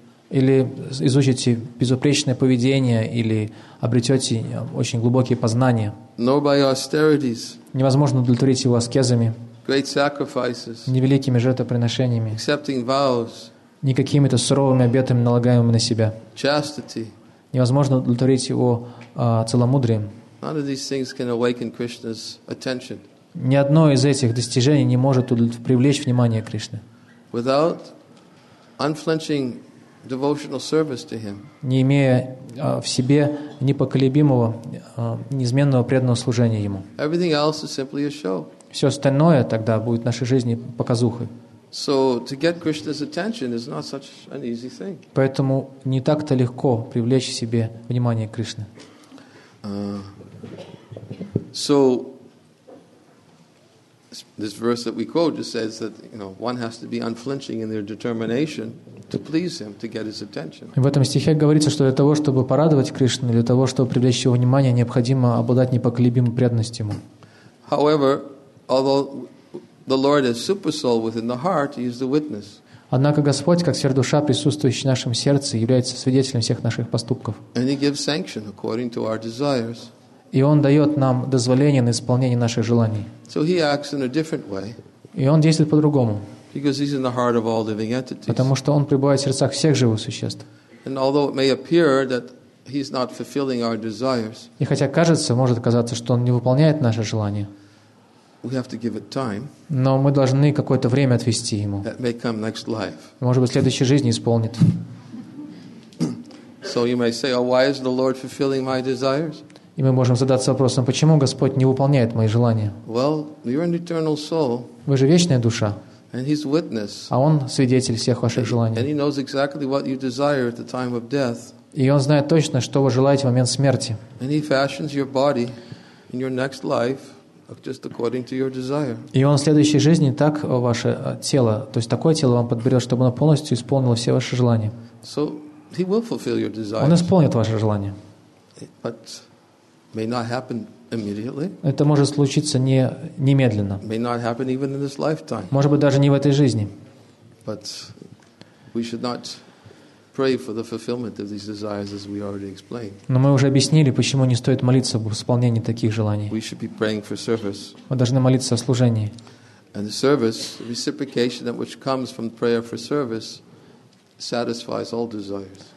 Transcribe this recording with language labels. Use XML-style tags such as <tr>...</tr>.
<ru>Или изучите безупречное поведение, или обретете очень глубокие познания. Невозможно удовлетворить его аскезами, невеликими жертвоприношениями, не какими-то суровыми обетами, налагаемыми на себя. Невозможно удовлетворить его целомудрием.</ru> <en>None of these things can awaken Krishna's attention.</en> <ru>Ни одно из этих достижений не может привлечь внимание Кришны.</ru> <en>Without unflinching devotional service to him.</en> <ru>Не имея в себе непоколебимого, неизменного преданного служения ему.</ru> <en>Everything else is simply a show.</en> <ru>Все остальное тогда будет в нашей жизни показухой.</ru> <en>So to get Krishna's attention is not such an easy thing.</en> <ru>Поэтому не так-то легко привлечь себе внимание Кришны.</ru> <en>So this verse that we quote just says that, you know, one has to be unflinching in their determination to please him, to get his attention.</en> <ru>В этом стихе говорится, что для того, чтобы порадовать Кришну, для того, чтобы привлечь его внимание, необходимо обладать непоколебимой преданностью ему.</ru> <en>However, although the Lord is supersoul within the heart, he is the witness.</en> <ru>Однако Господь, как сверхдуша, присутствующий в нашем сердце, является свидетелем всех наших поступков.</ru> <en>And he gives sanction according to our desires.</en> <ru>И Он дает нам дозволение на исполнение наших желаний.</ru> <en>So he acts in a different way.</en> <ru>И Он действует по-другому.</ru> <en>Because he's in the heart of all living entities.</en> <ru>Потому что Он пребывает в сердцах всех живых существ.</ru> <en>And although it may appear that he's not fulfilling our desires,</en> <ru>и хотя кажется, может казаться, что Он не выполняет наши желания,</ru> <en>we have to give it time.</en> <ru>Но мы должны какое-то время отвести ему.</ru> <en>That may come next life.</en> <ru>Может быть, в следующей жизни исполнит.</ru> <en>So you may say, oh, why is the Lord fulfilling my desires?</en> <ru>И мы можем задаться вопросом, почему Господь не выполняет мои желания?</ru> <en>Well, you're an eternal soul.</en> <ru>Вы же вечная душа.</ru> <en>And he's witness.</en> <ru>А он свидетель всех ваших желаний.</ru> <en>And he knows exactly what you desire at the time of death.</en> <ru>И он знает точно, что вы желаете в момент смерти.</ru> <en>And he fashions your body in your next life. Just according to your desire.</en> <ru>И он в следующей жизни так ваше тело, то есть такое тело вам подберет, чтобы оно полностью исполнило все ваши желания.</ru> <en>So he will fulfill your desires.</en> <ru>Он исполнит ваши желания.</ru> <en>But may not happen immediately.</en> <ru>Это может случиться не немедленно.</ru> <en>May not happen even in this lifetime.</en> <ru>Может быть, даже не в этой жизни.</ru> <en>But we should not pray for the fulfillment of these desires, as we already explained.</en> <ru>Но мы уже объяснили, почему не стоит молиться об исполнении таких желаний.</ru> <en>We should be praying for service.</en> <ru>Мы должны молиться о служении.</ru> <en>And the service, the reciprocation that which comes from prayer for service, satisfies all desires.</en>